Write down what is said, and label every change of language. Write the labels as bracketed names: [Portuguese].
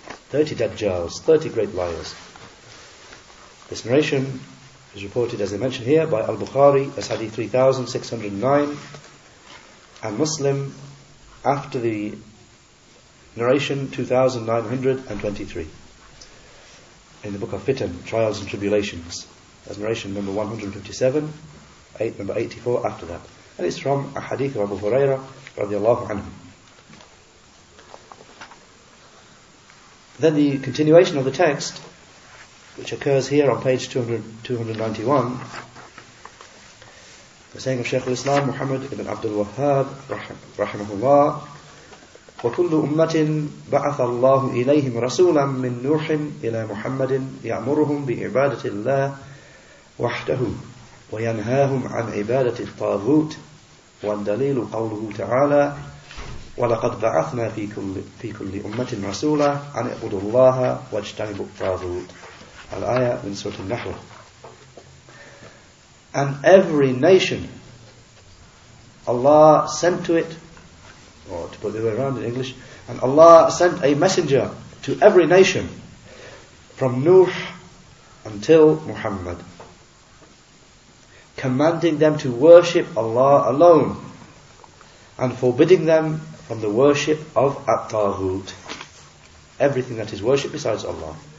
[English] 30 Dajjals, 30 great liars. This narration is reported, as I mentioned here, by Al-Bukhari, as hadith 3609, and Muslim, after the narration, 2923, in the book of Fitan, Trials and Tribulations, as narration number 157, 8, number 84, after that. And it's from a hadith of Abu Hurairah, radiallahu anhu. Then the continuation of the text, which occurs here on page 291, the saying of Shaykh al-Islam Muhammad ibn Abdul Wahhab rahimahullah, [Arabic] وَكُلُّ أُمَّةٍ بَعَثَ اللَّهُ إِلَيْهِمْ رَسُولًا مِّن نُوحٍ إِلَى مُحَمَّدٍ يَأْمُرُهُمْ بِعِبَادَةِ اللَّهِ وَحْدَهُ وَيَنْهَاهُمْ عَنْ عِبَادَةِ الطَّاغُوتِ وَالدَّلِيلُ قَوْلُهُ تَعَالَى وَلَقَدْ بَعَثْنَا فِي كُلِّ أُمَّةٍ رَسُولًا أَنِ اعْبُدُوا اللَّهَ وَاجْتَنِبُوا الطَّاغُوتَ. [English] Al-Ayah in Surah Al-Nahl. And every nation, Allah sent to it, or to put the other way around in English, and Allah sent a messenger to every nation from Nuh until Muhammad, commanding them to worship Allah alone and forbidding them from the worship of At-Taghut, everything that is worship besides Allah.